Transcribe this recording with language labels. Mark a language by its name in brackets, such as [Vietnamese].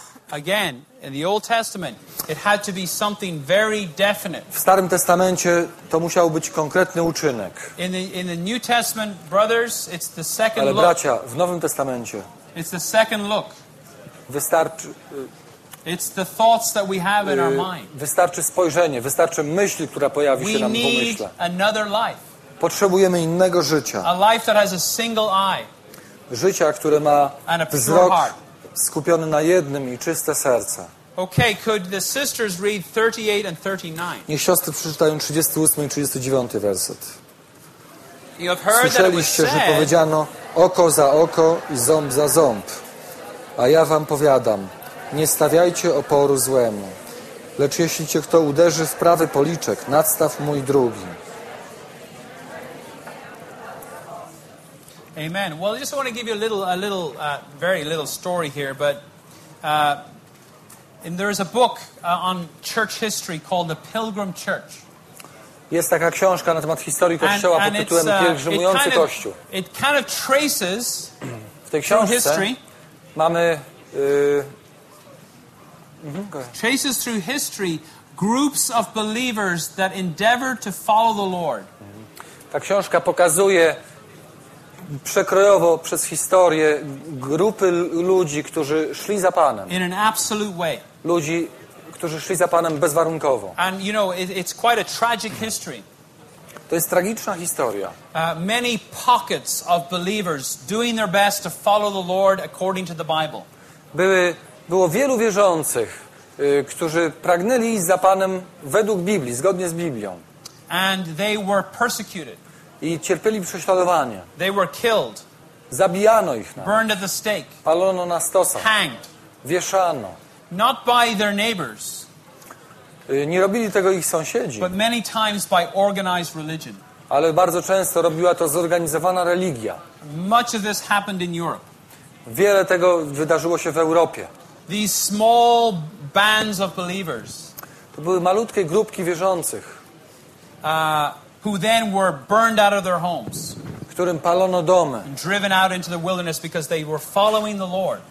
[English] Again, in the Old Testament, it had to be something very definite. [Polish] W Starym Testamencie to musiał być konkretny uczynek. [English] In the New Testament, brothers, it's the second look. [Polish] Ale bracia, w Nowym Testamencie. [English] It's the second look. [Polish] Wystarczy, [English] it's the thoughts that we have in our mind. [Polish] Wystarczy spojrzenie, wystarczy myśl, która pojawi się nam w umyśle. [English] We need another life. [Polish] Potrzebujemy innego życia. [English] A life that has a single eye. [Polish] Życia, które ma wzrok skupiony na jednym i czyste serce. [English] Okay, could the sisters read 38 and 39? [Polish] Niech siostry przeczytają 38 i 39 werset. [English] You have heard [Polish] słyszeliście, [English] that it was [Polish] że powiedziano oko za oko i ząb za ząb. A ja wam powiadam, nie stawiajcie oporu złemu, lecz jeśli cię kto uderzy w prawy policzek, nadstaw mój drugi. [English] Amen. Well, I just want to give you a very little story here, but and there is a book on church history called The Pilgrim Church. [Polish] Jest taka książka na temat historii Kościoła pod tytułem Pielgrzymujący Kościół. [English] It kind of traces [Polish] w tej książce [English] history. [Polish] Mamy [English] traces through history groups of believers that endeavored to follow the Lord. [Polish] Ta książka pokazuje przekrojowo przez historię grupy ludzi, którzy szli za Panem. [English] In an absolute way. [Polish] Ludzi, którzy szli za Panem bezwarunkowo. [English] And you know, it's quite a tragic history. [Polish] To jest tragiczna historia. [English] Many pockets of believers doing their best to follow the Lord according to the Bible. [Polish] Było wielu wierzących, którzy pragnęli iść za Panem według Biblii, zgodnie z Biblią. [English] And they were persecuted. [Polish] I cierpieli prześladowanie. [English] They were killed. [Polish] Zabijano ich nawet. [English] Burned at the stake. [Polish] Palono na stosach. [English] Hanged. [Polish] Wieszano. [English] Not by their neighbors. [Polish] Nie robili tego ich sąsiedzi. [English] But many times by organized religion. [Polish] Ale bardzo często robiła to zorganizowana religia. [English] Much of this happened in Europe. [Polish] Wiele tego wydarzyło się w Europie. [English] These small bands of believers. [Polish] To były malutkie grupki wierzących. [English] Who then were burned out of their homes. [Polish] Którym palono domy. [English] And driven out into the wilderness because they were following the Lord.